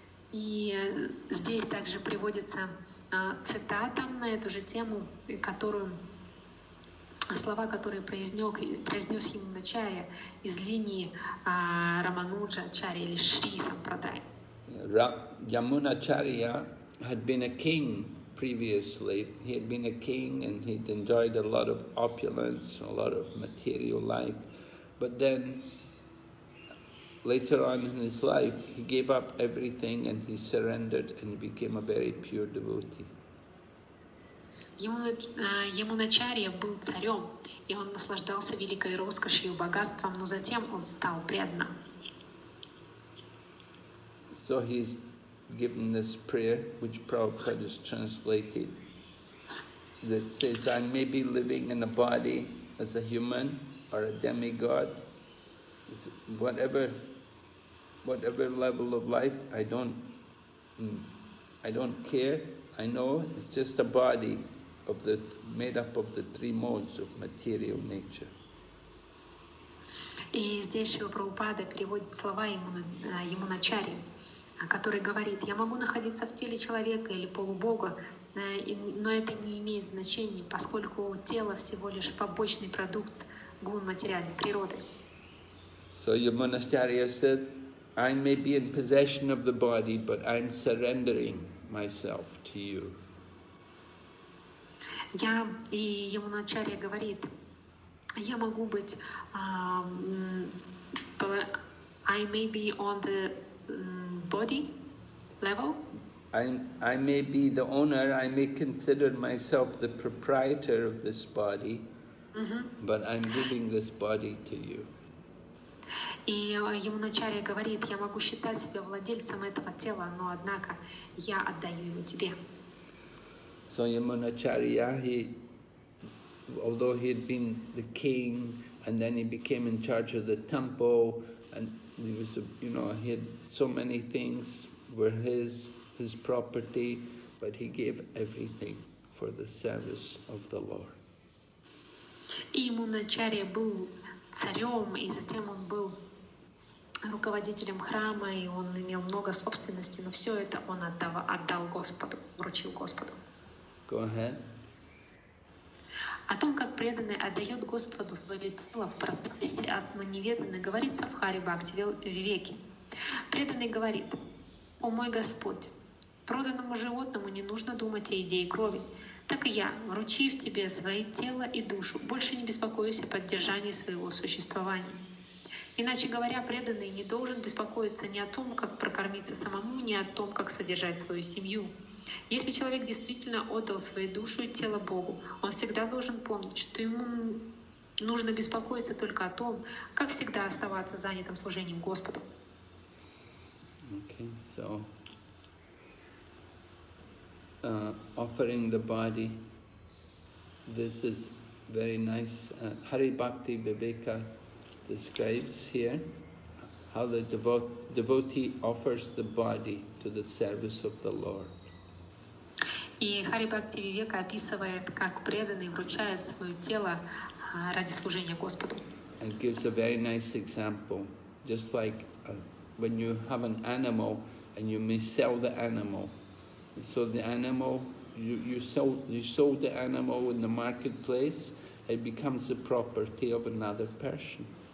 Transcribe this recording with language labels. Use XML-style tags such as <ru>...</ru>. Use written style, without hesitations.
<ru>И здесь также приводится цитата на эту же тему, которую слова, которые произнес Ямуначарья из линии Рамануджа Ачарья или Шри Сампрадай.</ru> <en>Ямуначарья had been a king previously. He had been a king and he'd enjoyed a lot of opulence, a lot of material life. But then, later on in his life, he gave up everything and he surrendered and became a very pure devotee.</en> <ru>Ямуначарья был царем, и он наслаждался великой роскошью и богатством, но затем он стал преданным.</ru> <en>So he's given this prayer, which Prabhupada has translated, that says, I may be living in a body as a human or a demigod. Whatever level of life, I don't care. I know it's just a body. Made up of the three modes of material nature.</en> <ru>И здесь Шрила Прабхупада переводит слова Ямуначарьи, который говорит: «Я могу находиться в теле человека или полубога, но это не имеет значения, поскольку тело всего лишь побочный продукт гун материальной природы».</ru> <en>So Ямуначарья said, I may be in possession of the body, but I'm surrendering myself to you.</en> <ru>И Ямуначарья говорит, я могу быть,</ru> <en>I may be on the body level. I may be the owner, I may consider myself the proprietor of this body, but I'm giving this body to you.</en> <ru>И Ямуначарья говорит, я могу считать себя владельцем этого тела, но однако я отдаю его тебе.</ru> <en>So Ямуначарья, although he had been the king, and then he became in charge of the temple, and he was, he had so many things were his property, but he gave everything for the service of the Lord.</en> <ru>Ямуначарья был царем, и затем он был руководителем храма, и он имел много собственности, но все это он отдал Господу, вручил Господу.</ru> <en>Go ahead.</en> <ru>О том, как преданный отдает Господу свое тело в процессе атма неведанной, говорится в Хари Бхакти Вивеке. Преданный говорит: «О мой Господь, проданному животному не нужно думать о идее крови. Так и я, вручив тебе свое тело и душу, больше не беспокоюсь о поддержании своего существования». Иначе говоря, преданный не должен беспокоиться ни о том, как прокормиться самому, ни о том, как содержать свою семью. Если человек действительно отдал свою душу и тело Богу, он всегда должен помнить, что ему нужно беспокоиться только о том, как всегда оставаться занятым служением Господу.</ru> <en>Okay, so offering the body, this is very nice. Hari Bhakti Viveka describes here how the devotee offers the body to the service of the Lord.</en> <ru>И Хари Бхакти Вивека описывает, как преданный вручает свое тело ради служения Господу.</ru> <en>And gives a very nice example, just like when you have an animal and you may sell the animal. So the animal, you sold the animal in the marketplace, it becomes the property of another person.</en>